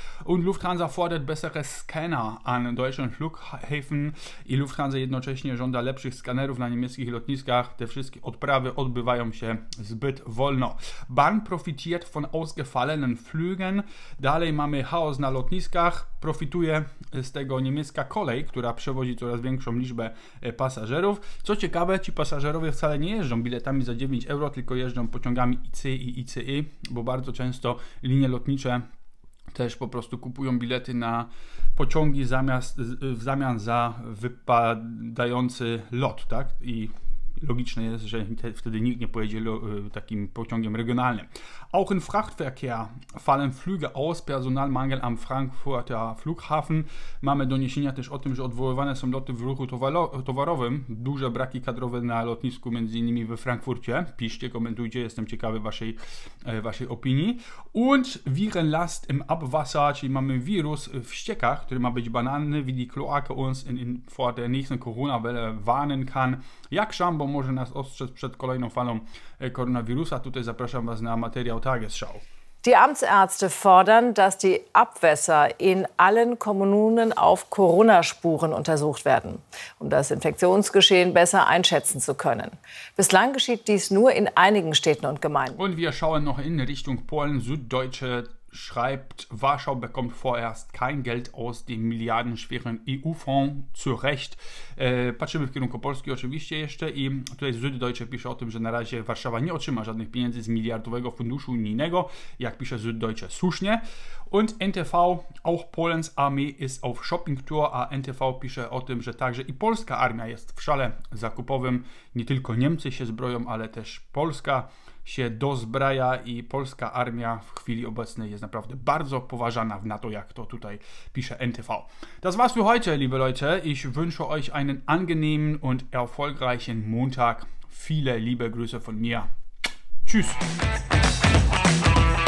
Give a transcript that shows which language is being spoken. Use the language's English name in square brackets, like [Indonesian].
[German] Und Lufthansa fordert bessere Scanner an deutschen Flughäfen. [Polish] I Lufthansa jednocześnie żąda lepszych skanerów na niemieckich lotniskach. Te wszystkie sprawy odbywają się zbyt wolno. [German] Bahn profitiert von ausgefallenen Flügen. [Polish] Dalej mamy chaos na lotniskach. Profituje z tego niemiecka kolej, która przewozi coraz większą liczbę pasażerów. Co ciekawe, ci pasażerowie wcale nie jeżdżą biletami za 9 euro, tylko jeżdżą pociągami ICE i ICE, bo bardzo często linie lotnicze też po prostu kupują bilety na pociągi w zamian za wypadający lot, tak? I logiczne jest, że wtedy nikt nie pojedzie takim pociągiem regionalnym. [German] Auch im Frachtverkehr fallen Flüge aus, Personalmangel am Frankfurter Flughafen. [Polish] Mamy doniesienia też o tym, że odwoływane są loty w ruchu towarowym. Duże braki kadrowe na lotnisku, między innymi we Frankfurcie. Piszcie, komentujcie, jestem ciekawy waszej opinii. [German] Und Virenlast im Abwasser, [Polish] czyli mamy wirus w ściekach, który ma być banalny, [German] wie die Kloake uns vor der nächsten Corona-Welle warnen kann. [Polish] Jak Szambo może nas ostrzec przed kolejną falą koronawirusa? Tutaj zapraszam was na materiał. [German] Die Amtsärzte fordern, dass die Abwässer in allen Kommunen auf Corona-Spuren untersucht werden, um das Infektionsgeschehen besser einschätzen zu können. Bislang geschieht dies nur in einigen Städten und Gemeinden. Und wir schauen noch in Richtung Polen. Süddeutsche schreibt, Warschau bekommt vorerst kein Geld aus dem milliardenschweren EU-Fonds, zu Recht. [Polish] Patrzymy w kierunku Polski oczywiście jeszcze i tutaj Süddeutsche pisze o tym, że na razie Warszawa nie otrzyma żadnych pieniędzy z miliardowego funduszu unijnego, jak pisze Süddeutsche, słusznie. [German] Und NTV, auch Polens Armee ist auf Shopping Tour, [Polish] a NTV pisze o tym, że także i polska armia jest w szale zakupowym, nie tylko Niemcy się zbroją, ale też Polska się dozbraja i polska armia w chwili obecnej jest naprawdę bardzo poważana w NATO, jak to tutaj pisze NTV. [German] Das war's für heute, liebe Leute. Ich wünsche euch einen angenehmen und erfolgreichen Montag. Viele liebe Grüße von mir. Tschüss.